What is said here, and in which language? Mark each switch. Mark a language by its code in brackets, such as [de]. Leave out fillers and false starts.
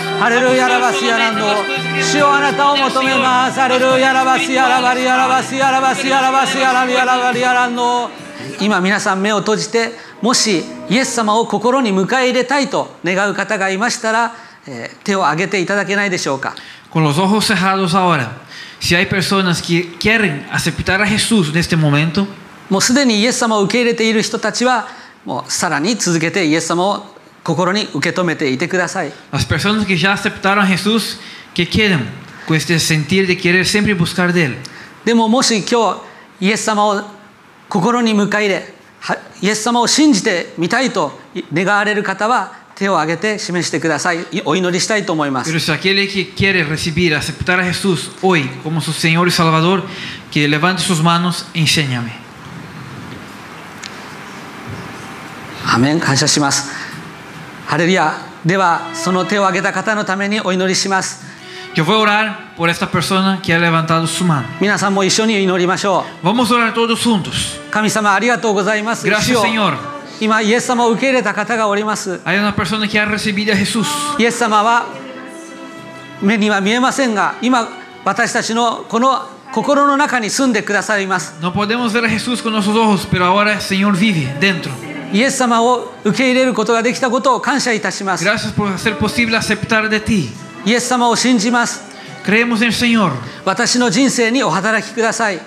[ja] ハレルヤ、ラバスヤ、ランド、主よ、あなたを求めます。ハレルヤ、ラバスヤ、ラバリヤ、ラバスヤ、ラバスヤ、ラバスヤ、ラバリヤ、ラバリヤ。今皆さん目を閉じて、もしイエス様を心に迎え入れたいと願う方がいましたら、手を挙げていただけないでしょうか。 [es] Con los ojos cerrados ahora, si hay personas que quieren aceptar a Jesús en este momento, [ja] もうすでにイエス様を受け入れている人たちは、もうさらに続けてイエス様を心に受け止めていてください。 [es] Las personas que ya aceptaron a Jesús, que quieren, con este sentir de querer siempre buscar de él. [ja] でももし今日イエス様を心に迎え入れ、イエス様を信じてみたいと願われる方は、手を挙げて示してください。お祈りしたいと思います。 [es] Pero si aquele que quiere recibir, aceptar a Jesús hoy como su Señor y Salvador, que levante sus manos, enséñame. [ja] Amén. 感謝します。ハレルヤ。では、その手を挙げた方のためにお祈りします。 [es] Yo voy a orar por esta persona que ha levantado su mano. [ja] 皆さんも一緒に祈りましょう。 [es] Vamos a orar todos juntos. [ja] 神様、ありがとうございます。 [es] Gracias, Señor. [ja] 今イエス様を受け入れた方がおります。 [es] Hay una persona que ha recibido a Jesús. [ja] イエス様は目には見えませんが、今私たちのこの心の中に住んでくださいます。 [es] No podemos ver a Jesús con nuestros ojos, pero ahora el Señor vive dentro. [ja] イエス様を受け入れることができたことを感謝いたします。 [es] Gracias por hacer posible aceptar de ti. [ja] イエス様を信じます。 [es] Creemos en el Señor. [ja] 私の人生にお働きください。